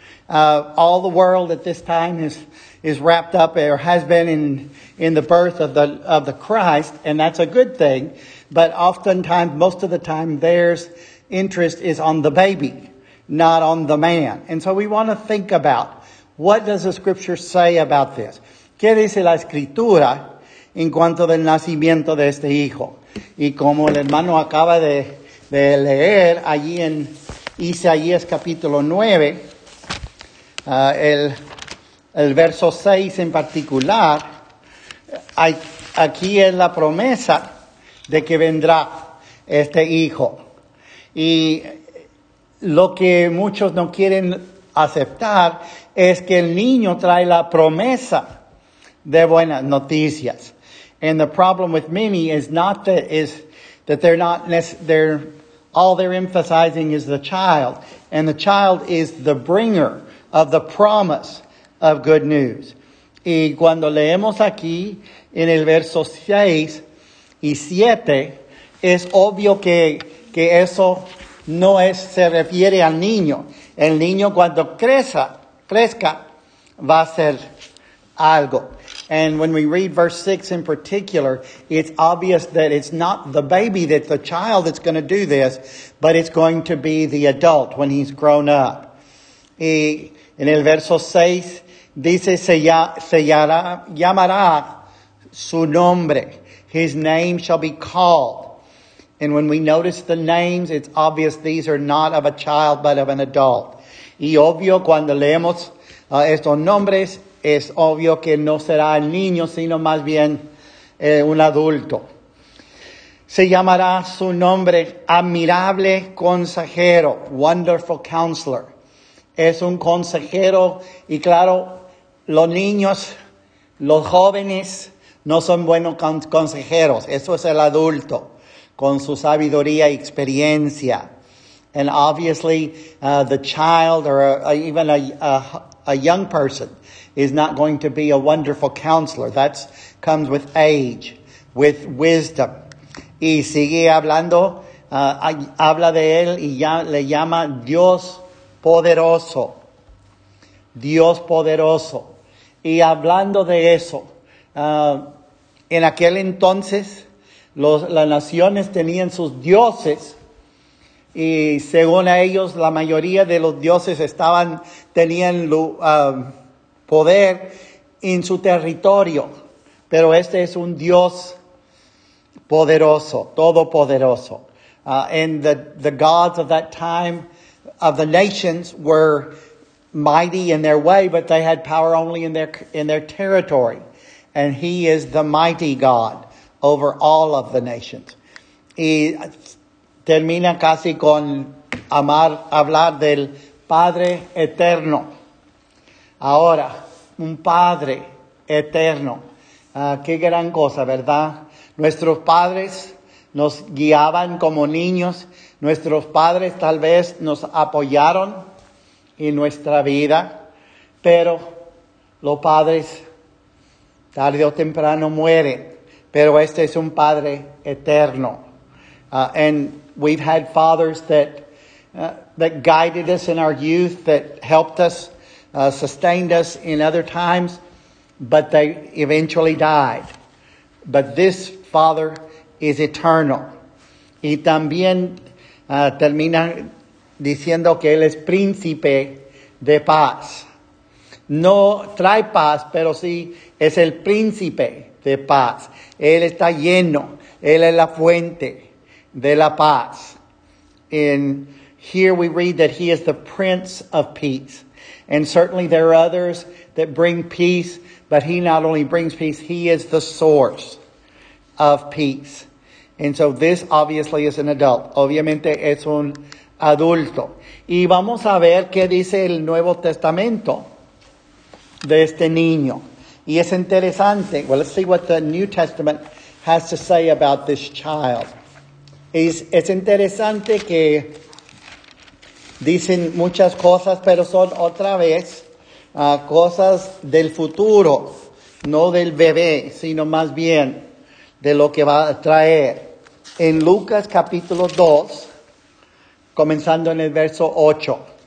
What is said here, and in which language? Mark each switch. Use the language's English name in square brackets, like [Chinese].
[English] All the world at this time is wrapped up or has been in the birth of the Christ, and that's a good thing. But oftentimes, most of the time, there's interest is on the baby, not on the man. And so we want to think about, what does the scripture say about this? [Spanish] ¿Qué dice la escritura en cuanto del nacimiento de este hijo? Y como el hermano acaba de leer allí en Isaías capítulo 9, el verso 6 en particular, aquí es la promesa de que vendrá este hijo. Y lo que muchos no quieren aceptar es que el niño trae la promesa de buenas noticias. [English] And the problem with many is that they're all they're emphasizing is the child, and the child is the bringer of the promise of good news. [Spanish] Y cuando leemos aquí en el verso 6 y 7, es obvio que eso no es, se refiere al niño. El niño cuando crezca va a ser algo. [English] And when we read verse 6 in particular, it's obvious that it's not the baby, that the child that's going to do this, but it's going to be the adult when he's grown up. [Spanish] Y en el verso 6 dice, se llamará su nombre. [English] His name shall be called. And when we notice the names, it's obvious these are not of a child, but of an adult. [Spanish] Y obvio, cuando leemos estos nombres, es obvio que no será el niño, sino más bien un adulto. Se llamará su nombre Admirable Consejero, [English] Wonderful Counselor. [Spanish] Es un consejero, y claro, los niños, los jóvenes, no son buenos consejeros. Eso es el adulto, con su sabiduría y experiencia. [English] And obviously, the child, or even a young person, is not going to be a wonderful counselor. That comes with age, with wisdom. [Spanish] Y sigue hablando, habla de él y ya le llama Dios Poderoso. Dios Poderoso. Y hablando de eso, en aquel entonces, las naciones tenían sus dioses. Y según a ellos, la mayoría de los dioses tenían poder en su territorio. Pero este es un Dios poderoso, todopoderoso. [English] And the gods of that time, of the nations, were mighty in their way, but they had power only in their territory. And he is the mighty God over all of the nations. [Spanish] Y termina casi con hablar del Padre Eterno. Ahora, un Padre Eterno. Qué gran cosa, ¿verdad? Nuestros padres nos guiaban como niños. Nuestros padres tal vez nos apoyaron en nuestra vida. Pero los padres, tarde o temprano, mueren. Pero este es un Padre Eterno. [English] And we've had fathers that guided us in our youth, that helped us, sustained us in other times, but they eventually died. But this Father is eternal. [Spanish] Y también termina diciendo que él es príncipe de paz. No trae paz, pero sí es el príncipe de paz. Él está lleno. Él es la fuente de la paz. [English] And here we read that he is the Prince of Peace. And certainly there are others that bring peace, but he not only brings peace, he is the source of peace. And so this obviously is an adult. [Spanish] Obviamente es un adulto. Y vamos a ver qué dice el Nuevo Testamento de este niño. Y es interesante. [English] Well, let's see what the New Testament has to say about this child. [Spanish] Es interesante que dicen muchas cosas, pero son otra vez cosas del futuro, no del bebé, sino más bien de lo que va a traer. En Lucas capítulo 2, comenzando en el verso 8.